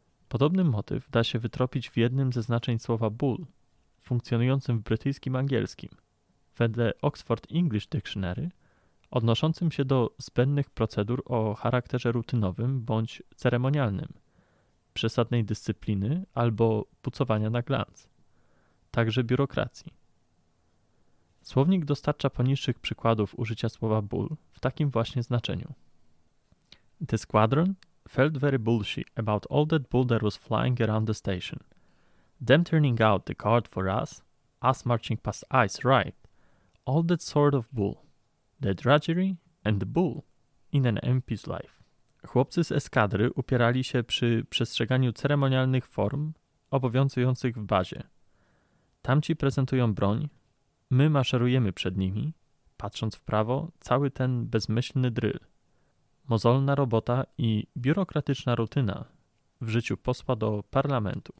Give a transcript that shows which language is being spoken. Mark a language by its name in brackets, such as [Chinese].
[Polish] Podobny motyw da się wytropić w jednym ze znaczeń słowa bull, funkcjonującym w brytyjskim angielskim, wedle Oxford English Dictionary, odnoszącym się do zbędnych procedur o charakterze rutynowym bądź ceremonialnym, przesadnej dyscypliny albo pucowania na glans, także biurokracji. Słownik dostarcza poniższych przykładów użycia słowa bull w takim właśnie znaczeniu. [English] The squadron felt very bullshy about all that bull that was flying around the station. Them turning out the guard for us marching past ice, right? All that sort of bull. The drudgery and the bull in an MP's life. [Polish] Chłopcy z eskadry upierali się przy przestrzeganiu ceremonialnych form obowiązujących w bazie. Tamci prezentują broń, my maszerujemy przed nimi, patrząc w prawo, cały ten bezmyślny dryl. Mozolna robota i biurokratyczna rutyna w życiu posła do parlamentu.